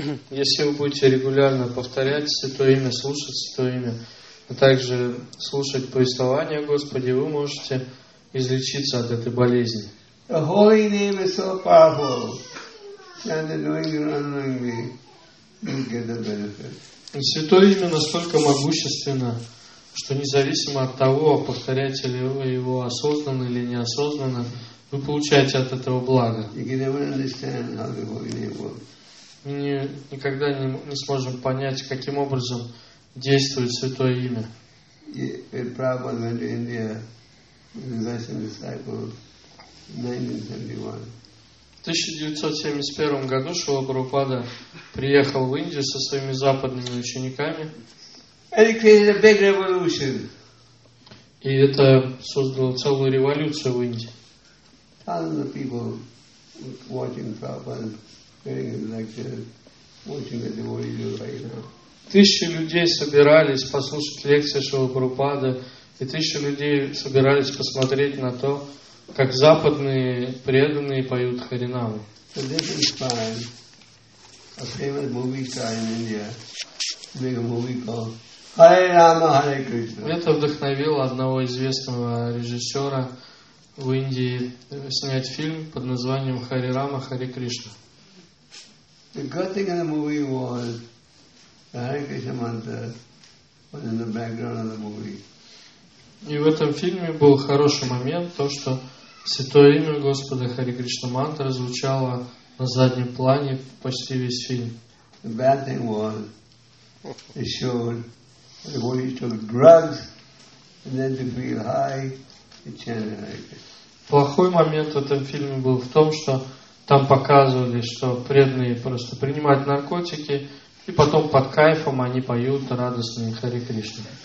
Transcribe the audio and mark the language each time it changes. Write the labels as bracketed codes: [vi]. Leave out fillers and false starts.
[ru] Если вы будете регулярно повторять Святое Имя, слушать Святое Имя, а также слушать повествование о Господе, вы можете излечиться от этой болезни. [en] The holy name is so powerful. Chanted knowingly or unknowingly, you get the benefit. [ru] Святое имя настолько могущественно, что независимо от того, повторяете ли вы его осознанно или неосознанно, вы получаете от этого благо. [en] You can never understand how the holy name works. [ru] Мы никогда не сможем понять, каким образом действует Святое имя. [en] When Prabhupada went to India, Dasan disciple, 1971. [ru] В 1971 году Шрила Прабхупада приехал в Индию со своими западными учениками. [en] And it created a big revolution. [ru] И это создало целую революцию в Индии. [en] Thousands of people watching Prabhupada, hearing his lectures, watching the devotees right now. [ru] Тысячи людей собирались послушать лекции Шрила Прабхупада. И тысячи людей собирались посмотреть на то, как западные преданные поют харинаму. Это вдохновило одного известного режиссера в Индии снять фильм под названием «Хари Рама, Хари Кришна». [en] The good thing in the movie was the Hare Krishna mantra was in the background of the movie. [ru] И в этом фильме был хороший момент, то, что Святое имя Господа Хари Кришна мантра звучало на заднем плане почти весь фильм. [en] The bad thing was, they showed the boy took drugs, and then to feel high, he chanted like this. [ru] Плохой момент в этом фильме был в том, что там показывали, что преданные просто принимают наркотики, и потом под кайфом они поют радостные Хари Кришна.